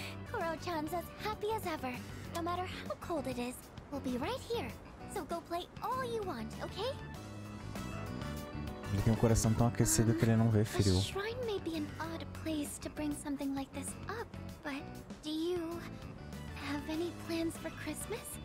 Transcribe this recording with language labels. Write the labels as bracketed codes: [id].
[en] Koro-chan's as happy as ever. No matter how cold it is, we'll be right here. So go play all you want, ok? [pt] Ele tem um coração tão aquecido que ele não vê frio. [en] A shrine may be an odd place to bring something like this up, but do you have any plans for Christmas?